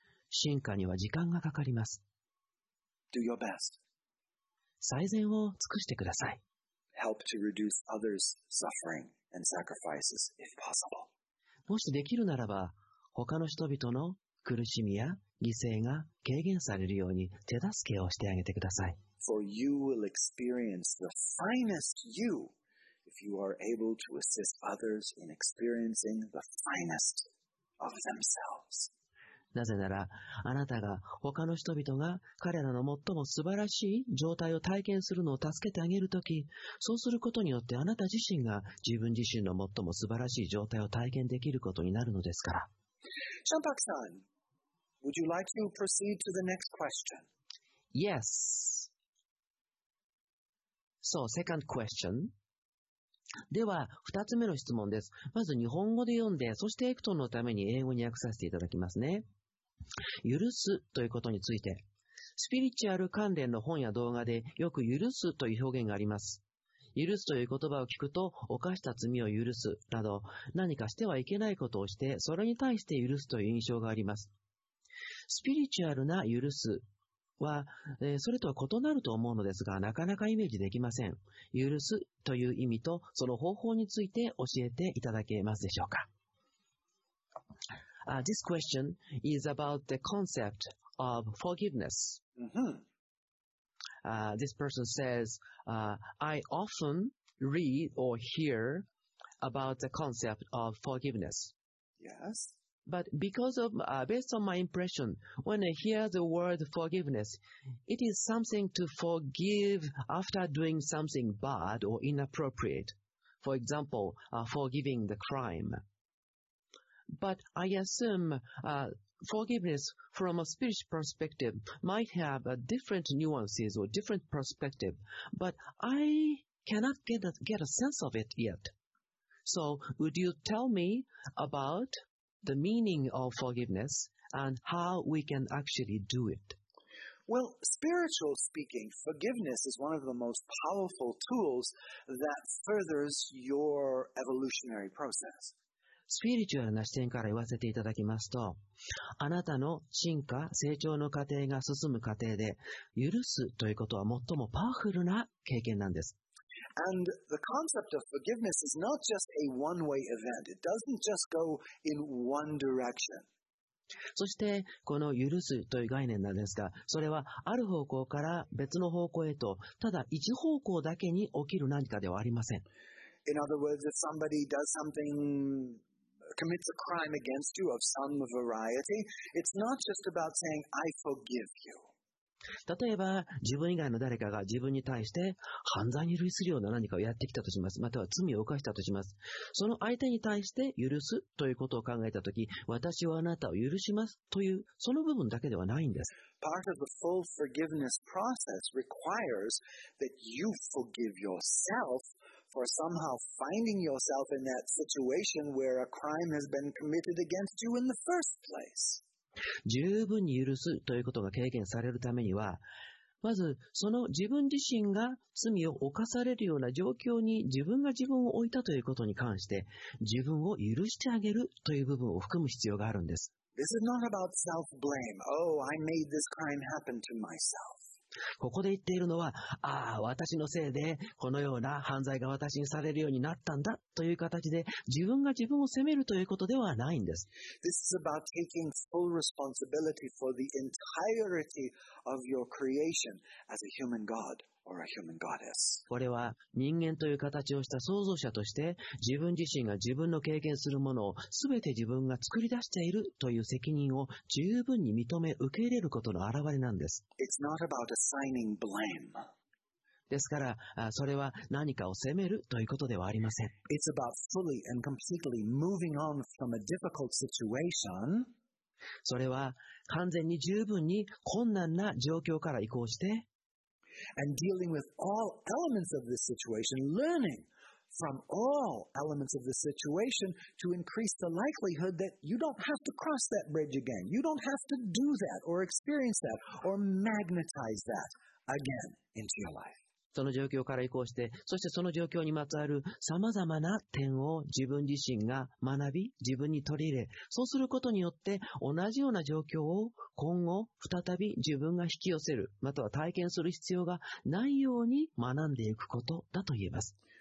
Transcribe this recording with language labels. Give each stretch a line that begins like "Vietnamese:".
Japanese: 進化には時間がかかります。
English: Do your best.
Japanese: 最善を尽くしてください。
English: Help to reduce others' suffering and sacrifices if possible.
Japanese: もしできるならば、他の人々の苦しみや犠牲が軽減されるように手助けをしてあげてください。
English: For you will experience the finest you if you are able to assist others in experiencing the finest of themselves.
Japanese: なぜなら、あなたが他の人々が彼らの最も素晴らしい状態を体験するのを助けてあげるとき、そうすることによってあなた自身が自分自身の最も素晴らしい状態を体験できることになるのですから。
English: シャンパクさん、Would you like to proceed to the next question? Yes. So, second question.
Japanese: では、二つ目の質問です。まず日本語で読んで、そしてエクトンのために英語に訳させていただきますね。許すということについて。スピリチュアル関連の本や動画でよく許すという表現があります。許すという言葉を聞くと、犯した罪を許すなど、何かしてはいけないことをして、それに対して許すという印象があります。スピリチュアルな許すは、それとは異なると思うのですが、なかなかイメージできません。許すという意味と、その方法について教えていただけますでしょうか。
English: This question is about the concept of forgiveness. This person says, I often read or hear about the concept of forgiveness. Yes. But because of, based on my impression, when I hear the word forgiveness, it is something to forgive after doing something bad or inappropriate. For example, forgiving the crime. But I assume, forgiveness from a spiritual perspective might have different nuances or different perspective, but I cannot get a sense of it yet. So would you tell me aboutthe meaning of forgiveness and how we can actually do it. Well, spiritually speaking, forgiveness is one of the most powerful tools that furthers your evolutionary process.
Japanese: スピリチュアルな視点から言わせていただきますと、あなたの進化、成長の過程が進む過程で、許すということは最もパワフルな経験なんです。
English: And the concept of forgiveness is not just a one-way event. It doesn't just go in one direction.
Japanese: そしてこの許すという概念なんですが、それはある方向から別の方向へと、ただ一方向だけに起きる何かではありません。
English: In other words, if somebody does something, commits a crime against you of some variety, it's not just about saying, I forgive you.
Japanese: 例えば自分以外の誰かが自分に対して犯罪に類するような何かをやってきたとします、または罪を犯したとします。その相手に対して許すということを考えたとき、私はあなたを許しますというその部分だけではないんです。
English: Part of the full forgiveness process requires that you forgive yourself for somehow finding yourself in that situation where a crime has been committed against you in the first place.
Japanese: 十分に許すということが経験されるためには、まずその自分自身が罪を犯されるような状況に自分が自分を置いたということに関して、自分を許してあげるという部分を含む必要があるんです。
English: This is not about self-blame. Oh, I made this crime happen to myself.
Japanese: ここで言っているのは、ああ私のせいでこのような犯罪が私にされるようになったんだという形で自分が自分を責めるということではないんです。
English: This is about taking full responsibility for the entirety of your creation as a human god or a human goddess.
Japanese: これは人間という形をした創造者として、自分自身が自分の経験するものを全て自分が作り出しているという責任を十分に認め受け入れることの表れなんです。
English: It's not about assigning blame
Japanese: ですから、それは何かを責めるということではありません。
English: It's about fully and completely moving on from a difficult situation.
Japanese: それは完全に十分に困難な状況から移行して、
English: and dealing with all elements of this situation, learning from all elements of the situation to increase the likelihood that you don't have to cross that bridge again. You don't have to do that or experience that or magnetize that again into your life.
Japanese: その状況から移行して、そしてその状況にまつわる様々な点を自分自身が学び、自分に取り入れ、そうすることによって同じような状況を今後再び自分が引き寄せる、または体験する必要がないように学んでいくことだと言えます。